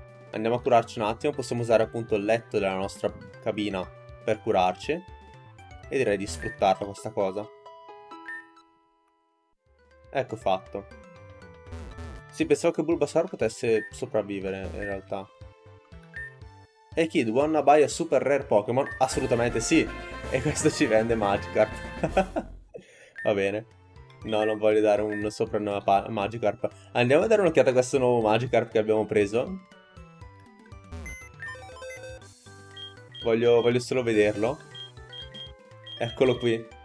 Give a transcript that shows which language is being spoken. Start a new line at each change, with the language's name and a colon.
Italian: Andiamo a curarci un attimo. Possiamo usare appunto il letto della nostra cabina per curarci. E direi di sfruttarla questa cosa. Ecco fatto. Sì, pensavo che Bulbasaur potesse sopravvivere, in realtà.
English: Hey kid, wanna buy a super rare Pokémon?
Italian: Assolutamente sì! E questo ci vende Magikarp. Va bene. No, non voglio dare un soprannome a Magikarp. Andiamo a dare un'occhiata a questo nuovo Magikarp che abbiamo preso. Voglio solo vederlo. Eccolo qui.